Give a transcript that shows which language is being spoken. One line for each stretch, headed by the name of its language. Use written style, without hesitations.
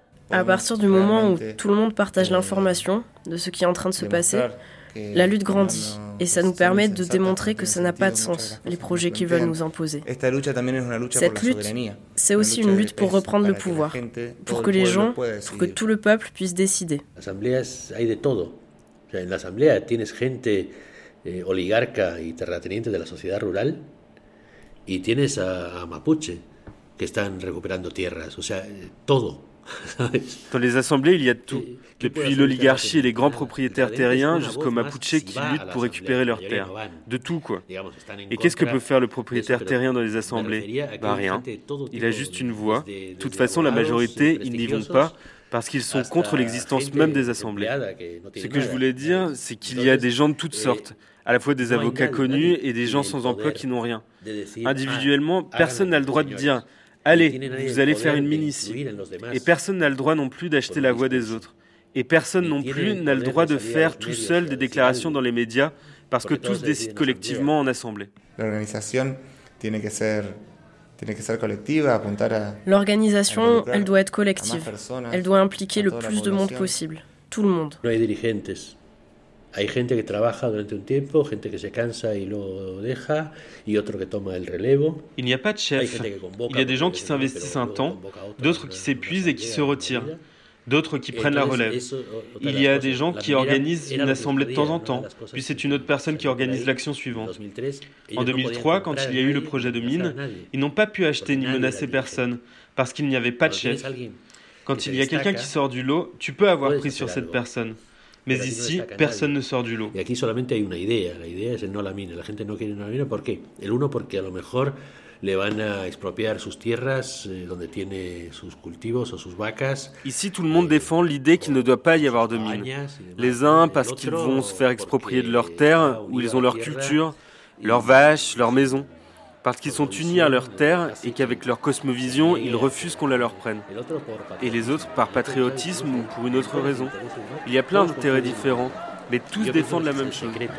French: À partir du moment où tout le monde partage l'information de ce qui est en train de se passer, la lutte grandit et ça nous permet de démontrer que ça n'a pas de sens, les projets qu'ils veulent nous imposer. Cette lutte, c'est aussi une lutte pour reprendre le pouvoir, pour que les gens, pour que tout le peuple puisse décider. En l'assemblée,
Spanish: tienes gente oligarca y terrateniente de la sociedad rural y tienes a mapuche que están recuperando tierras, o sea, todo.
French: Dans les assemblées, il y a tout, depuis l'oligarchie et les grands propriétaires terriens jusqu'aux mapuche qui luttent pour récupérer leurs terres, de tout quoi. Et qu'est-ce que peut faire le propriétaire terrien dans les assemblées? Bah rien. Il a juste une voix. De toute façon, la majorité, ils n'y vont pas. Parce qu'ils sont contre l'existence même des assemblées. Ce que je voulais dire, c'est qu'il y a des gens de toutes sortes, à la fois des avocats connus et des gens sans emploi qui n'ont rien. Individuellement, personne n'a le droit de dire « Allez, vous allez faire une mine ici ». Et personne n'a le droit non plus d'acheter la voix des autres. Et personne non plus n'a le droit de faire tout seul des déclarations dans les médias, parce que tous décident collectivement en assemblée. L'organisation
Spanish: tiene que ser...
French: L'organisation, elle doit être collective. Elle doit impliquer le plus de monde possible. Tout le monde.
Spanish: No hay dirigentes. Hay gente que trabaja durante un tiempo, gente que se cansa y lo deja, y otro que toma el relevo.
French: Il n'y a pas de chef. Il y a des gens qui s'investissent un temps, d'autres qui s'épuisent et qui se retirent. D'autres qui prennent la relève. Il y a des gens qui organisent une assemblée de temps en temps, puis c'est une autre personne qui organise l'action suivante. En 2003, quand il y a eu le projet de mine, ils n'ont pas pu acheter ni menacer personne, parce qu'il n'y avait pas de chef. Quand il y a quelqu'un qui sort du lot, tu peux avoir prise sur cette personne. Mais ici, personne ne sort du lot. Et ici, il y a une idée. L'idée, c'est non la mine.
Spanish: La gente
French: ne veut pas la mine. Pourquoi?
Spanish: El uno,
French: parce qu'à
Spanish: lo mejor le van a expropiar sus tierras donde tiene sus cultivos o sus vacas.
French: Ici, tout le monde défend l'idée qu'il ne doit pas y avoir de mine. Les uns parce qu'ils vont se faire exproprier de leurs terres où ils ont leur culture, leurs vaches, leurs maisons. Parce qu'ils sont unis à leur terre et qu'avec leur cosmovision, ils refusent qu'on la leur prenne. Et les autres par patriotisme ou pour une autre raison. Il y a plein d'intérêts différents, mais tous défendent la même chose.